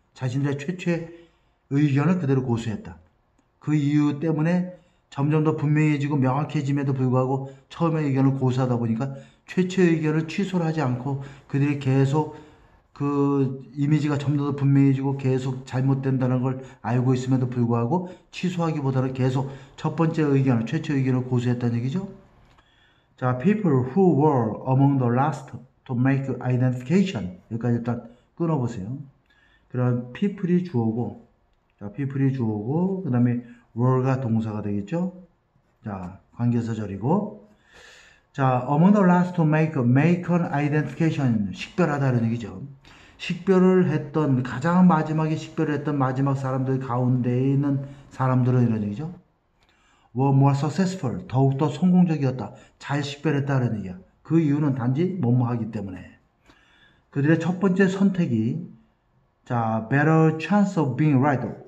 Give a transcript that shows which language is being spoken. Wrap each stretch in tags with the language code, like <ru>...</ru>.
<ko>자신들의 최초의 의견을 그대로 고수했다. 그 이유 때문에 점점 더 분명해지고 명확해짐에도 불구하고 처음의 의견을 고수하다 보니까 최초의 의견을 취소를 하지 않고 그들이 계속 그 이미지가 점점 더 분명해지고 계속 잘못된다는 걸 알고 있음에도 불구하고 취소하기보다는 계속 첫 번째 의견을, 최초 의견을 고수했다는 얘기죠.</ko> <en>자, people who were among the last to make identification.</en> <ko>여기까지 일단 끊어보세요. 그럼 people이 주어고, 자, people이 주어고, 그 다음에 were가 동사가 되겠죠. 자, 관계사절이고.</ko> <en>자, among the last to make an identification.</en> <ko>식별하다는 얘기죠. 식별을 했던, 가장 마지막에 식별을 했던 마지막 사람들 가운데에 있는 사람들은 이런 얘기죠.</ko> <en>were more successful.</en> <ko>더욱더 성공적이었다. 잘 식별했다는 얘기야. 그 이유는 단지 뭐뭐하기 때문에. 그들의 첫 번째 선택이, 자,</ko> <en>better chance of being right.</en>